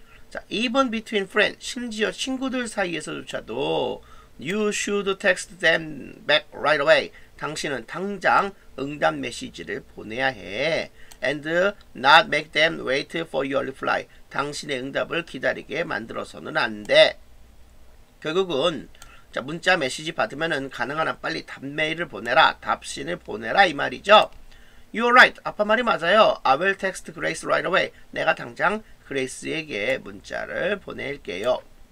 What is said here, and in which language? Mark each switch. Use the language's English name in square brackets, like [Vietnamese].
[English] 자, even between friends, [Korean] 심지어 친구들 사이에서조차도 [English] you should text them back right away. [Korean] 당신은 당장 응답 메시지를 보내야 해. [English] And not make them wait for your reply. [Korean] 당신의 응답을 기다리게 만들어서는 안 돼. 결국은 자, 문자 메시지 받으면은 가능한 한 빨리 답메일을 보내라. 답신을 보내라 이 말이죠. [English] You're right. [Korean] 아빠 말이 맞아요. [English] I will text Grace right away. [Korean] 내가 당장 그레이스에게 문자를 보낼게요.